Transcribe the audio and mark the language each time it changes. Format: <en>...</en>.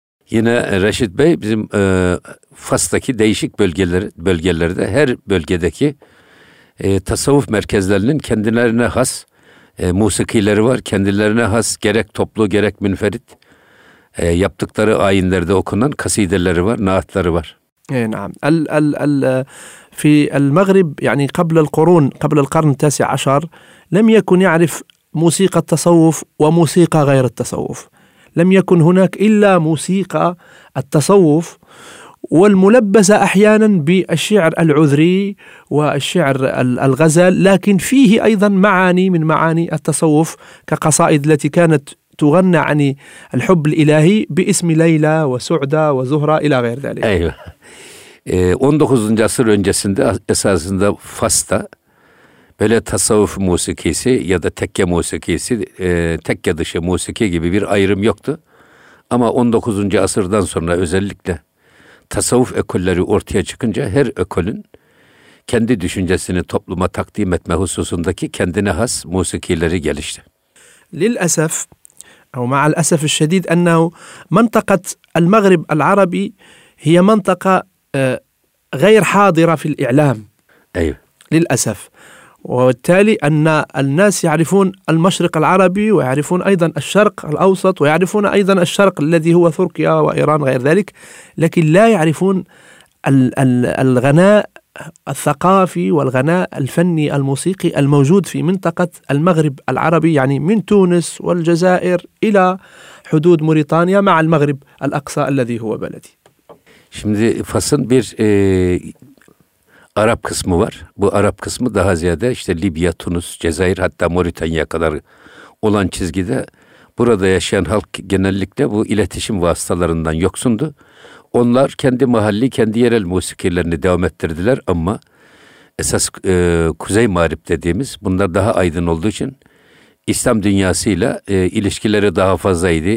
<tr>Yine Reşit Bey, bizim Fas'taki değişik bölgelerde her bölgedeki tasavvuf merkezlerinin kendilerine has musikileri var. Kendilerine has, gerek toplu gerek münferit yaptıkları ayinlerde okunan kasideleri var, naatları var.</tr> <ar>نعم ال في المغرب يعني قبل القرون قبل القرن التاسع عشر لم يكن يعرف موسيقى التصوف وموسيقى غير التصوف. لم يكن هناك إلا موسيقى التصوف والملبسة أحيانا بالشعر العذري والشعر الغزل، لكن فيه أيضا معاني من معاني التصوف كقصائد التي كانت تغنى عن الحب الإلهي باسم ليلى وسعدة وزهرة إلى غير ذلك. أيوة. 19.</ar> <tr>asır öncesinde esasında Fas'ta böyle tasavvuf musikisi ya da tekke musikisi, tekke dışı musiki gibi bir ayrım yoktu. Ama 19. asırdan sonra özellikle tasavvuf ekolleri ortaya çıkınca her ekolün kendi düşüncesini topluma takdim etme hususundaki kendine has musikileri gelişti.</tr> <ar>للأسف أو مع الأسف الشديد أنه منطقة المغرب العربي هي منطقة غير حاضرة في الإعلام. أيوة. للأسف. وبالتالي أن الناس يعرفون المشرق العربي ويعرفون أيضا الشرق الأوسط ويعرفون أيضا الشرق الذي هو تركيا وإيران غير ذلك، لكن لا يعرفون الغناء الثقافي والغناء الفني الموسيقي الموجود في منطقة المغرب العربي، يعني من تونس والجزائر إلى حدود موريتانيا مع المغرب الأقصى الذي هو بلدي.</ar> <tr>Şimdi Fas'ın bir Arap kısmı var. Bu Arap kısmı daha ziyade işte Libya, Tunus, Cezayir hatta Moritanya kadar olan çizgide. Burada yaşayan halk genellikle bu iletişim vasıtalarından yoksundu. Onlar kendi mahalli, kendi yerel musikilerini devam ettirdiler ama esas Kuzey Mağrip dediğimiz bunlar daha aydın olduğu için İslam dünyasıyla ilişkileri daha fazlaydı.</tr>